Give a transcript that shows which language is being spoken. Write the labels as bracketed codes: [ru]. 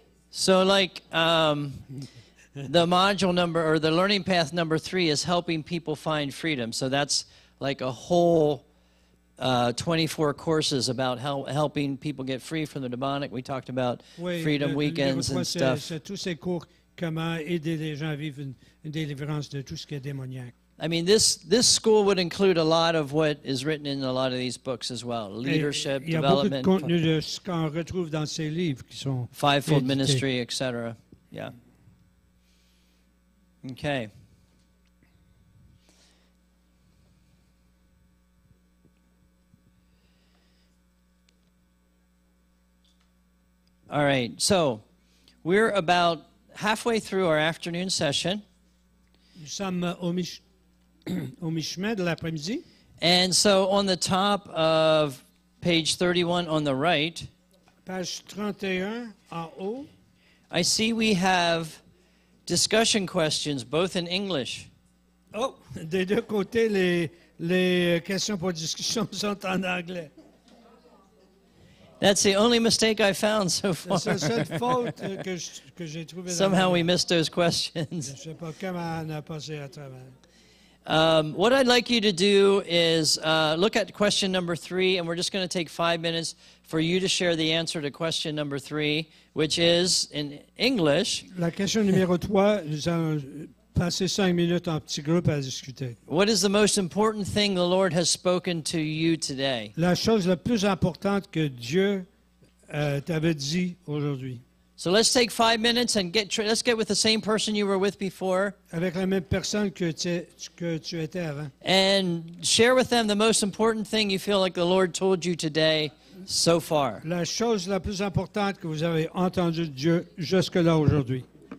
[en] So like the module number or the learning path number 3 is helping people find freedom. So that's like a whole 24 courses about helping people get free from the demonic. We talked about freedom weekends and stuff. [fr] C'est tous ces cours, comment aider les gens à vivre une délivrance de tout ce qui est démoniaque. [en] I mean, this school would include a lot of what is written in a lot of these books as well. Leadership, development. [fr] Il y a beaucoup de contenu de ce qu'on retrouve dans ces livres qui sont édités. [en] Fivefold ministry, etc. Yeah. Okay. All right, so we're about halfway through our afternoon session. [fr] Nous sommes au mi-chemin de l'après-midi. [en] And so on the top of page 31 on the right, [fr] page 31 en haut, [en] I see we have discussion questions, both in English. [fr] Oh, des deux côtés, les questions pour discussion sont en anglais. [en] That's the only mistake I found so far. [fr] C'est la seule faute que j'ai trouvée. [en] Somehow we missed those questions. [fr] Je sais pas comment on a passé à travers. [en] What I'd like you to do is look at question number 3, and we're just going to take 5 minutes for you to share the answer to question number 3, which is in English. [fr] La question numéro 3, nous allons passer 5 minutes en petit groupe à discuter. [en] What is the most important thing the Lord has spoken to you today? [fr] La chose la plus importante que Dieu t'avait dit aujourd'hui. [en] So let's take 5 minutes and let's get with the same person you were with before. [fr] Avec la même personne que tu étais avant. [en] And share with them the most important thing you feel like the Lord told you today so far. [fr] La chose la plus importante que vous avez entendu de Dieu jusque là aujourd'hui.